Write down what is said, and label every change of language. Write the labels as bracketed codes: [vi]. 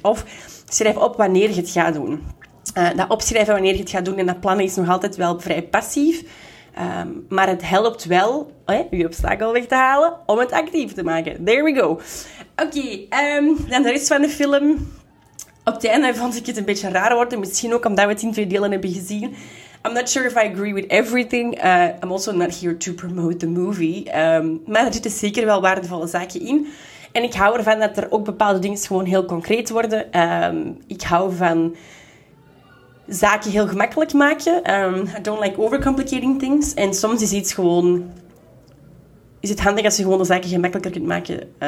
[nl] Of schrijf op wanneer je het gaat doen. Dat opschrijven wanneer je het gaat doen en dat plannen is nog altijd wel vrij passief. Maar het helpt wel je obstakel weg te halen om het actief te maken. [en] There we go. [nl] Oké, dan de rest van de film. Op het einde vond ik het een beetje raar worden. Misschien ook omdat we het in twee delen hebben gezien. [en] I'm not sure if I agree with everything. I'm also not here to promote the movie. [nl] Maar er zitten zeker wel waardevolle zaken in. En ik hou ervan dat er ook bepaalde dingen gewoon heel concreet worden. Ik hou van zaken heel gemakkelijk maken. [en] I don't like overcomplicating things. [nl] En soms is iets gewoon, is het handig als je gewoon de zaken gemakkelijker kunt maken.